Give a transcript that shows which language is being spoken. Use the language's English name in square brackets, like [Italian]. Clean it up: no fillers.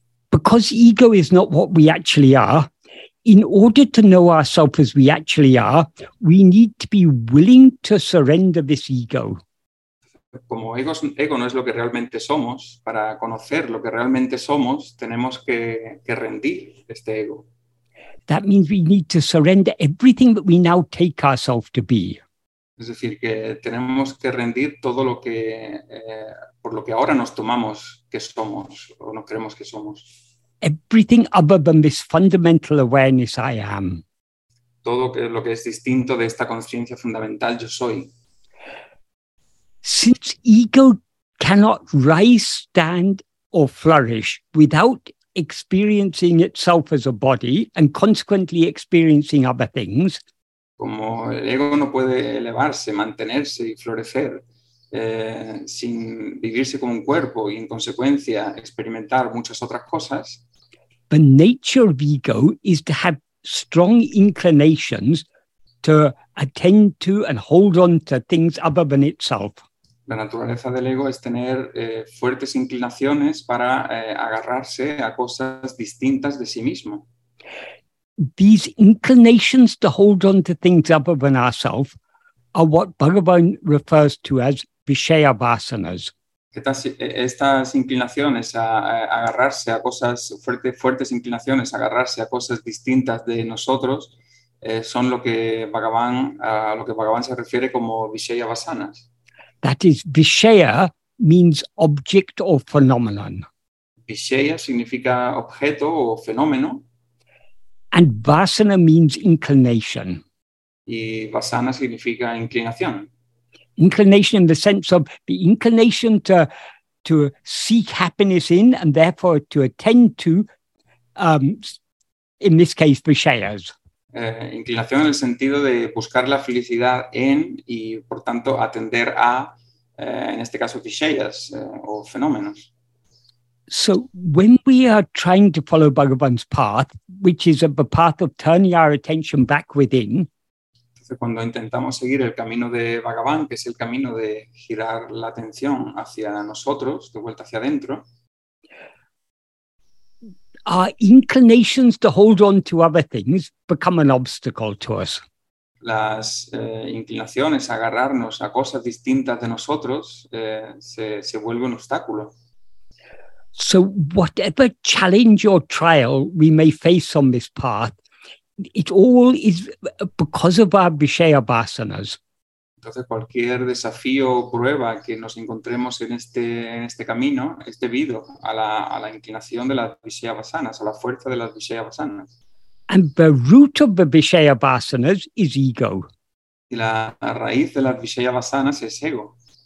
[English] Because ego is not what we actually are, in order to know ourselves as we actually are, we need to be willing to surrender this ego. [Spanish] Como ego no es lo que realmente somos, para conocer lo que realmente somos, tenemos que rendir este ego. [English] That means we need to surrender everything that we now take ourselves to be. [Spanish] Es decir, que tenemos que rendir todo lo que, por lo que ahora nos tomamos que somos, o nos creemos que somos. [English] Everything other than this fundamental awareness I am. [Spanish] Todo lo que es distinto de esta conciencia fundamental yo soy. [English] Since ego cannot rise, stand or flourish without experiencing itself as a body and consequently experiencing other things. [Spanish] Como el ego no puede elevarse, mantenerse y florecer sin vivirse como un cuerpo y en consecuencia experimentar muchas otras cosas. [English] The nature of ego is to have strong inclinations to attend to and hold on to things other than itself. [Spanish] La naturaleza del ego es tener fuertes inclinaciones para agarrarse a cosas distintas de sí mismo. [English] These inclinations to hold on to things other than ourselves are what Bhagavan refers to as vishaya vasanas. [Spanish] Estas inclinaciones a agarrarse a cosas fuertes inclinaciones a agarrarse a cosas distintas de nosotros son lo que Bhagavan a lo que Bhagavan se refiere como vishaya vasanas. [English] That is, vishaya means object or phenomenon. [Spanish] Vishaya significa objeto o fenómeno. [English] And vasana means inclination. [Spanish] Y vasana significa inclinación. [English] Inclination in the sense of the inclination to seek happiness in and therefore to attend to, in this case, vishayas. [Spanish] Inclinación en el sentido de buscar la felicidad en y, por tanto, atender a, en este caso, vishayas o fenómenos. [English] So when we are trying to follow Bhagavan's path, which is the path of turning our attention back within, [Spanish] cuando intentamos seguir el camino de Bhagavan, que es el camino de girar la atención hacia nosotros, de vuelta hacia adentro, [English] our inclinations to hold on to other things become an obstacle to us. [Spanish] Las inclinaciones a agarrarnos a cosas distintas de nosotros se vuelve un obstáculo. [English] So whatever challenge or trial we may face on this path, it all is because of our vishaya vasanas. [Spanish] Entonces, cualquier desafío o prueba que nos encontremos en este camino es debido a la inclinación de las vishaya vasanas, a la fuerza de las vishaya vasanas. [English] And the root of the vishaya vasanas is ego. [Spanish] Y la raíz de las vishaya vasanas es ego.